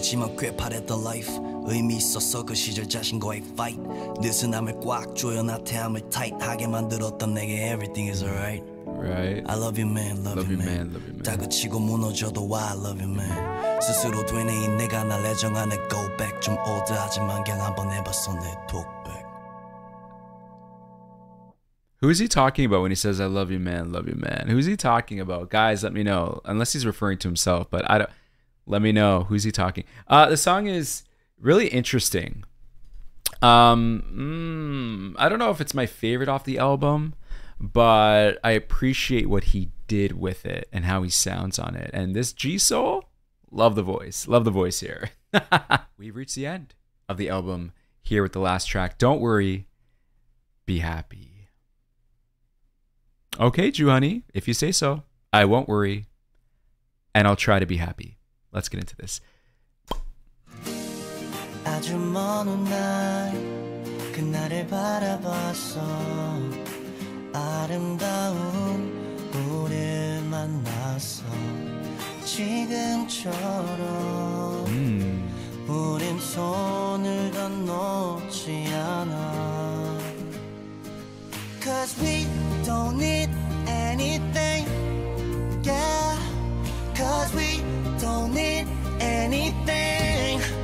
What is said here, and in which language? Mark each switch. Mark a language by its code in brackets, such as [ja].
[ko] 아프지만 꽤 바랬던 life 의미 있었어 그 시절 자신과의 fight 느슨함을 꽉 조여 나태함을 tight하게 만들었던 내게 [en] everything is alright Right. I love you, man. Love you, man. [ko] 다그치고 무너져도 [en] why I love you, man. [ko] 스스로 되네 이 내가 날 애정하네 go back 좀 올드하지만 그냥 한번 해봤어 내 talkback. [en] Who is he talking about when he says I love you, man? Love you, man. Who is he talking about? Guys, let me know. Unless he's referring to himself, but I don't. Let me know. Who's he talking? The song is really interesting. I don't know if it's my favorite off the album. But I appreciate what he did with it and how he sounds on it. And this GSoul, love the voice. Love the voice here. We've reached the end of the album here with the last track. Don't worry, be happy. Okay, JOOHONEY, if you say so, I won't worry. And I'll try to be happy. Let's get into this. [ko] 아주 먼 훗날 그날을 바라봤어 아름다운 우릴 만나서 지금처럼 우린 손을 더 놓지 않아 [en] Cause we don't need anything [ko] Yeah Cause we don't need anything